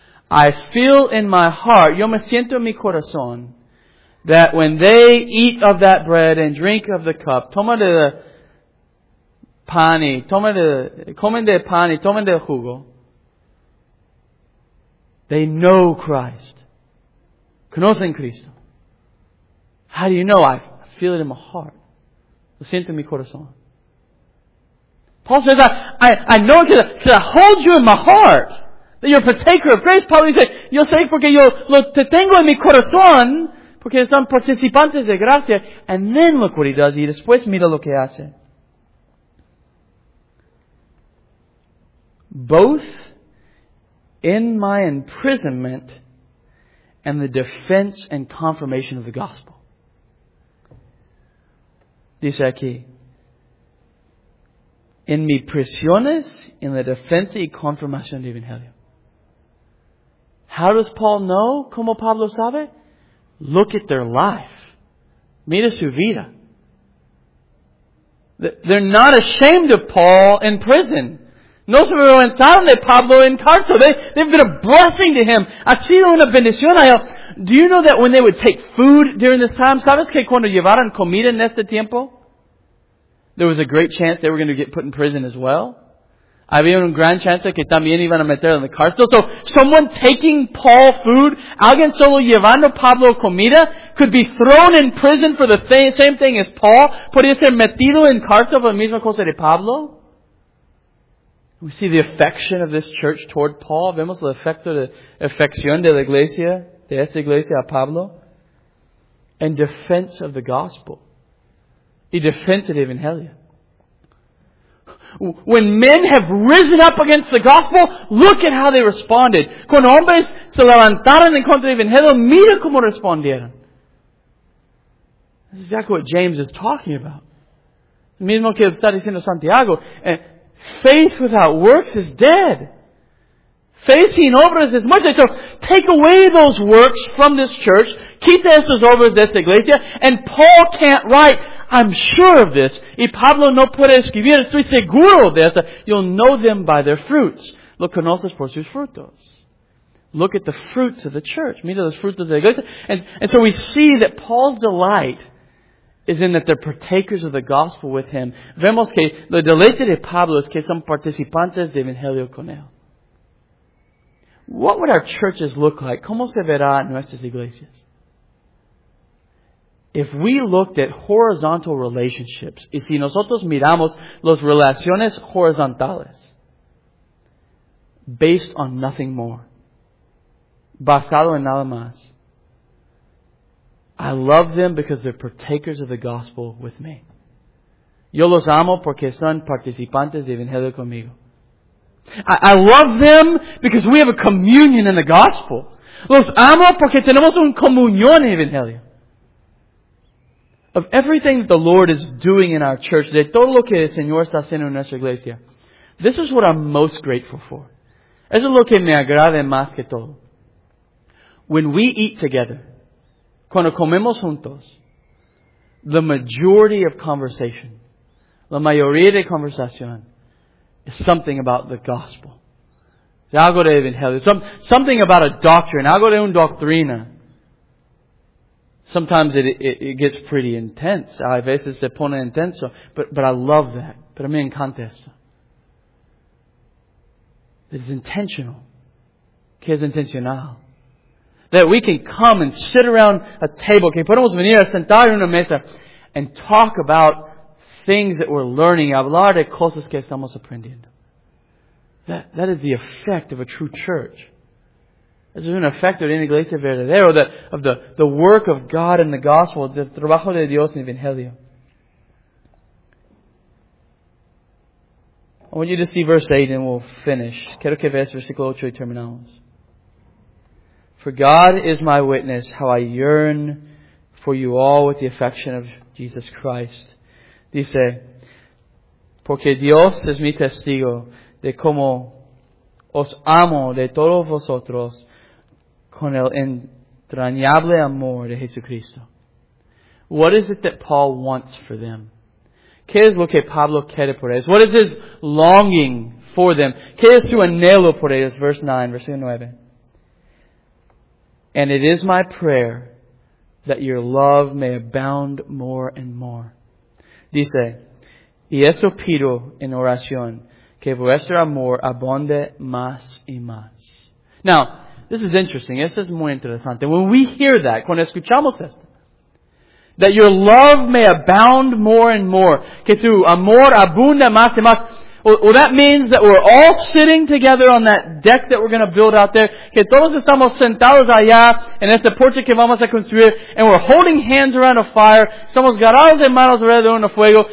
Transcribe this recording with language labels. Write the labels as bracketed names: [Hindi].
[English] I feel in my heart, [Spanish] yo me siento en mi corazón, [English] that when they eat of that bread and drink of the cup, [Spanish] comen de pan y tomen de jugo, [English] they know Christ. [Spanish] Conocen Cristo. [English] How do you know? I feel it in my heart. [Spanish] Lo siento en mi corazón. [English] Paul says, I know it because I hold you in my heart. You're a partaker of grace. [Spanish] Paul dice, yo sé porque yo lo te tengo en mi corazón, porque son participantes de gracia. [English] And then look what he does, [Spanish] y después mira lo que hace. [English] Both in my imprisonment and the defense and confirmation of the gospel. [Spanish] Dice aquí, en mis prisiones, en la defensa y confirmación del Evangelio. [English] How does Paul know? [Spanish] ¿Cómo Pablo sabe? [English] Look at their life. [Spanish] Mira su vida. [English] They're not ashamed of Paul in prison. [Spanish] No se avergonzaron de Pablo en cárcel. [English] They've been a blessing to him. [Spanish] Ha sido una bendición a él. [English] Do you know that when they would take food during this time, [Spanish] ¿sabes que cuando llevaron comida en este tiempo? [English] There was a great chance they were going to get put in prison as well. [Spanish] Había una gran chance que también iban a meter en la cárcel. [English] So someone taking Paul food, [Spanish] alguien solo llevando Pablo comida, [English] could be thrown in prison for the same thing as Paul. [Spanish] Podría ser metido en cárcel por la misma cosa de Pablo. [English] We see the affection of this church toward Paul. [Spanish] Vemos el efecto de afección de la iglesia, de esta iglesia a Pablo. [English] And defense of the gospel. [Spanish] Y defense del Evangelio. [English] When men have risen up against the gospel, look at how they responded. [Spanish] Cuando hombres se levantaron en contra del Evangelio, mira cómo respondieron. [English] This is exactly what James is talking about. [Spanish] Lo mismo que está diciendo Santiago. [English] Faith without works is dead. [Spanish] Faith sin obras es muerte. [English] So take away those works from this church. [Spanish] Quita esas obras de esta iglesia. [English] And Paul can't write. I'm sure of this. [Spanish] Y Pablo no puede escribir. Estoy seguro de eso. [English] You'll know them by their fruits. [Spanish] Lo conoces por sus frutos. [English] Look at the fruits of the church. [Spanish] Mira los frutos de la iglesia. [English] And so we see that Paul's delight is in that they're partakers of the gospel with him. [Spanish] Vemos que lo deleite de Pablo es que son participantes del Evangelio con él. [English] What would our churches look like? [Spanish] ¿Cómo se verá nuestras iglesias? [English] If we looked at horizontal relationships, [Spanish] y si nosotros miramos las relaciones horizontales, [English] based on nothing more, [Spanish] basado en nada más, [English] I love them because they're partakers of the gospel with me. [Spanish] Yo los amo porque son participantes del Evangelio conmigo. [English] I love them because we have a communion in the gospel. [Spanish] Los amo porque tenemos un comunión en el Evangelio. [English] Of everything that the Lord is doing in our church, [Spanish] de todo lo que el Señor está haciendo en nuestra iglesia, [English] this is what I'm most grateful for. [Spanish] Eso es lo que me agrada más que todo. [English] When we eat together, [Spanish] cuando comemos juntos, [English] the majority of conversation, [Spanish] la mayoría de conversación, [English] is something about the gospel. [Spanish] Es algo de Evangelio. [English] Something about a doctrine. [Spanish] Algo de una doctrina. [English] Sometimes it gets pretty intense. [Spanish] A veces se pone intenso. [English] But I love that. [Spanish] Pero me encanta esto. [English] It's intentional. [Spanish] Que es intencional. [English] That we can come and sit around a table, [Spanish] que podemos venir a sentar en una mesa, [English] and talk about things that we're learning, [Spanish] hablar de cosas que estamos aprendiendo. [English] That is the effect of a true church. [Spanish] Es un efecto de una iglesia verdadera, [English] of the work of God in the gospel, [Spanish] del trabajo de Dios en el Evangelio. [English] I want you to see verse 8 and we'll finish. [Spanish] Quiero que veas versículo 8 y terminamos. [English] For God is my witness how I yearn for you all with the affection of Jesus Christ. [Spanish] Dice, porque Dios es mi testigo de cómo os amo de todos vosotros con el entrañable amor de Jesucristo. [English] What is it that Paul wants for them? [Spanish] ¿Qué es lo que Pablo quiere por ellos? [English] What is his longing for them? [Spanish] ¿Qué es su anhelo por ellos? [English] Verse 9, [Spanish] versículo 9. [English] And it is my prayer that your love may abound more and more. [Spanish] Dice, y eso pido en oración, que vuestro amor abonde más y más. [English] Now, this is interesting. [Spanish] Esto es muy interesante. [English] When we hear that, [Spanish] cuando escuchamos esto, [English] that your love may abound more and more, [Spanish] que tu amor abunde más y más. [English] Well, that means that we're all sitting together on that deck that we're going to build out there. [Spanish] Que todos estamos sentados allá en este porche que vamos a construir. [English] And we're holding hands around a fire. [Spanish] Estamos agarrados de manos alrededor de un fuego.